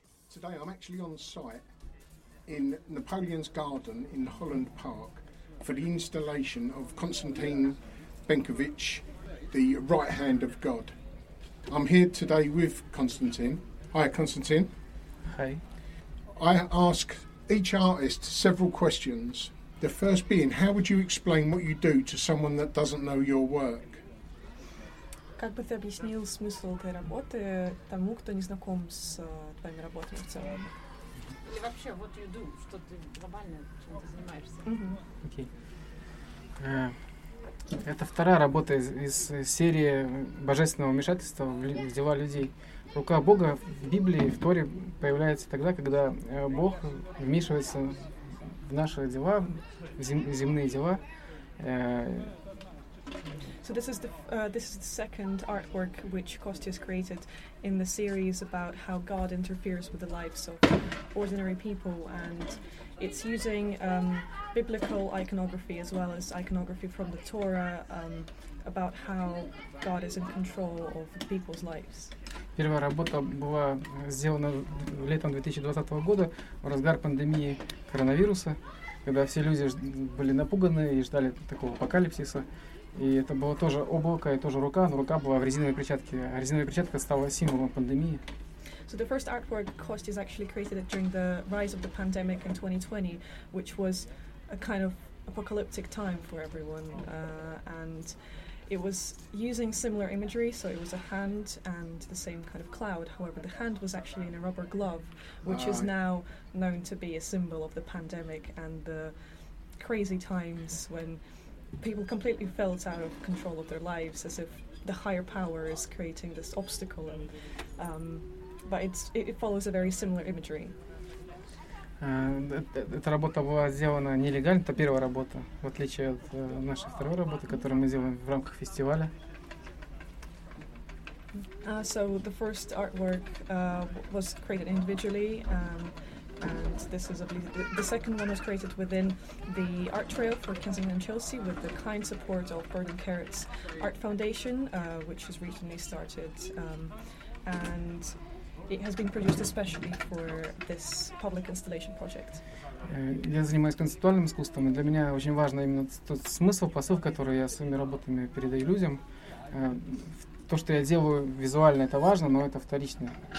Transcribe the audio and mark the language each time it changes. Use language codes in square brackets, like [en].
[en] Today I'm actually on site in Napoleon's Garden in Holland Park for the installation of Konstantin Benkovich, the right hand of God. I'm here today with Konstantin. Hi, Konstantin. Hey. I ask each artist several questions. The first being, how would you explain what you do to someone that doesn't know your work? [ru] Как бы ты объяснил смысл твоей работы тому, кто не знаком с твоими работами в целом? Или вообще, [en] what do you do? [ru] Что ты глобально чем ты занимаешься? [en] Okay. [ru] Это вторая работа из серии божественного вмешательства в дела людей. Рука Бога в Библии, в Торе появляется тогда, когда Бог вмешивается в наши дела, в земные дела. [en] So this is the second artwork which Kostias created in the series about how God interferes with the lives of ordinary people, and it's using biblical iconography as well as iconography from the Torah about how God is in control of people's lives. [ru] Первая работа была сделана летом 2020 года в разгар пандемии коронавируса, когда все люди были напуганы и ждали такого апокалипсиса. И это было тоже облако, и тоже рука, но рука была в резиновой перчатке. А резиновая перчатка стала символом пандемии. [en] So the first artwork Kostias actually created during the rise of the pandemic in 2020, which was a kind of apocalyptic time for everyone. And it was using similar imagery, so it was a hand and the same kind of cloud. However, the hand was actually in a rubber glove, which is now known to be a symbol of the pandemic and the crazy times when people completely felt out of control of their lives, as if the higher power is creating this obstacle. And but it follows a very similar imagery. [ru] Эта работа была сделана нелегально, это первая работа, в отличие от нашей второй работы, которую мы делаем в рамках фестиваля. [en] So the first artwork was created individually. And this is the second one was created within the art trail for Kensington Chelsea with the kind support of Burden Carrots Art Foundation, which has recently started. And it has been produced especially for this public installation project. [ru] Я занимаюсь концептуальным искусством, и для меня очень важно именно тот смысл, посыл, который я своими работами передаю людям. То, что я делаю визуально, это важно, но это вторично.